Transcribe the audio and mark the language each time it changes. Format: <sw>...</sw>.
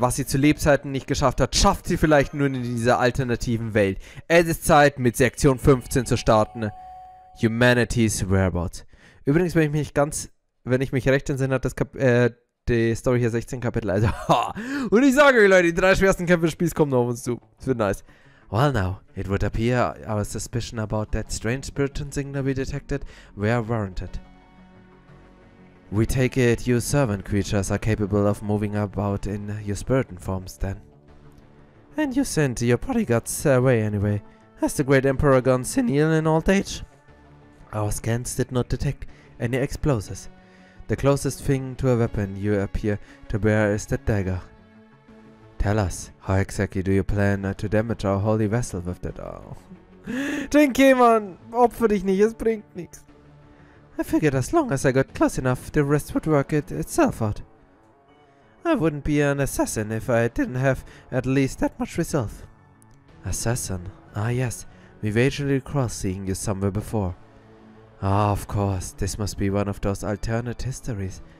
<de>Was sie zu Lebzeiten nicht geschafft hat, schafft sie vielleicht nun in dieser alternativen Welt. Es ist Zeit, mit Sektion 15 zu starten. Humanity's Whereabouts. Übrigens, wenn ich mich recht entsinne, hat die Story hier 16 Kapitel, also ha. Und ich sage euch, Leute, die drei schwersten Kämpfe des Spiels kommen auf uns zu. Es wird nice.</de> <en>Well now, it would appear our suspicion about that strange spirit and signal we detected were warranted. We take it you servant creatures are capable of moving about in your spirit forms then. And you sent your bodyguards away anyway. Has the great emperor gone senile in old age? Our scans did not detect any explosives. The closest thing to a weapon you appear to bear is the dagger. Tell us, how exactly do you plan to damage our holy vessel with that? Oh.</en> <de>Jin Kai, man, opfer dich nicht, es bringt nichts.</de> <en>I figured as long as I got close enough, the rest would work itself out. I wouldn't be an assassin if I didn't have at least that much resolve. Assassin? Ah yes, we vaguely recall seeing you somewhere before. Ah, of course, this must be one of those alternate histories.</en>